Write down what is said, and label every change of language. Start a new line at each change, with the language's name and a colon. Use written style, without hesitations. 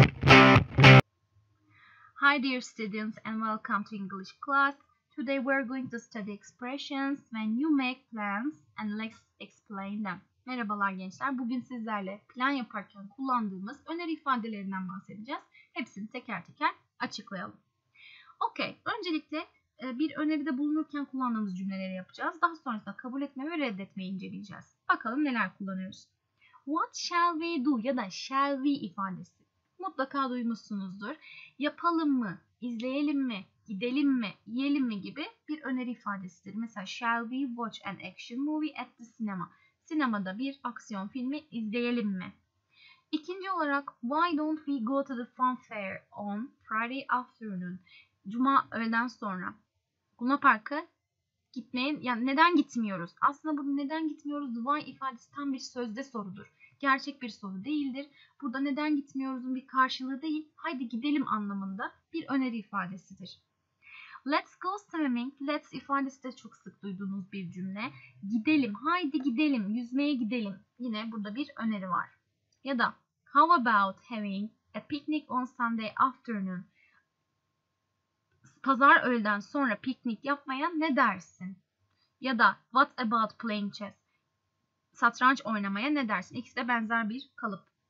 English: Hi dear students and welcome to English class. Today we are going to study expressions when you make plans and let's explain them.
Turkish: Merhabalar gençler, bugün sizlerle plan yaparken kullandığımız öneri ifadelerinden bahsedeceğiz. Hepsini teker teker açıklayalım. Okay, öncelikle bir öneride bulunurken kullandığımız cümleleri yapacağız. Daha sonrasında kabul etme ve reddetme inceleyeceğiz. Bakalım neler kullanıyoruz.
English: What shall we do
Turkish: ya da
English: shall we
Turkish: ifadesi. Mutlaka duymuşsunuzdur. Yapalım mı, izleyelim mi, gidelim mi, yiyelim mi gibi bir öneri ifadesidir.
English: Mesela shall we watch an action movie at the cinema?
Turkish: Sinemada bir aksiyon filmi izleyelim mi? İkinci olarak
English: why don't we go to the fun fair on Friday afternoon?
Turkish: Cuma öğleden sonra. Luna Park'a gitmeyin. Yani neden gitmiyoruz? Aslında bunu neden gitmiyoruz? Why ifadesi tam bir sözde sorudur. Gerçek bir soru değildir. Burada neden gitmiyoruzun bir karşılığı değil, haydi gidelim anlamında bir öneri ifadesidir.
English: Let's go swimming.
Turkish: Let's ifadesi de çok sık duyduğunuz bir cümle. Gidelim, haydi gidelim, yüzmeye gidelim. Yine burada bir öneri var. Ya da
English: how about having a picnic on Sunday afternoon?
Turkish: Pazar öğleden sonra piknik yapmaya ne dersin? Ya da
English: what about playing chess?
Turkish: Satranç oynamaya ne dersin? İkisi de benzer bir kalıp.